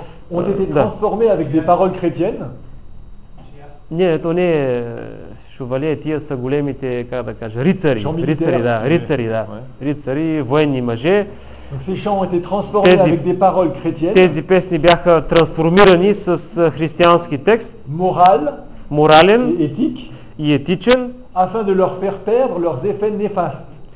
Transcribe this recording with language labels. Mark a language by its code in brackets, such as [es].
[fr] Ont été transformés avec des paroles chrétiennes. [bg] Не, то не е шевалие, тия са големите, как да кажа, рицари. Рицари, да, рицари, да. Рицари, военни мъже. [fr] Donc ces chants ont été transformés avec des paroles chrétiennes. [bg] Тези песни бяха трансформирани с християнски текст. [fr] Moral, [bg] морален, [fr] éthique, [bg] и етичен. [fr] Afin de leur faire perdre leurs effets néfastes.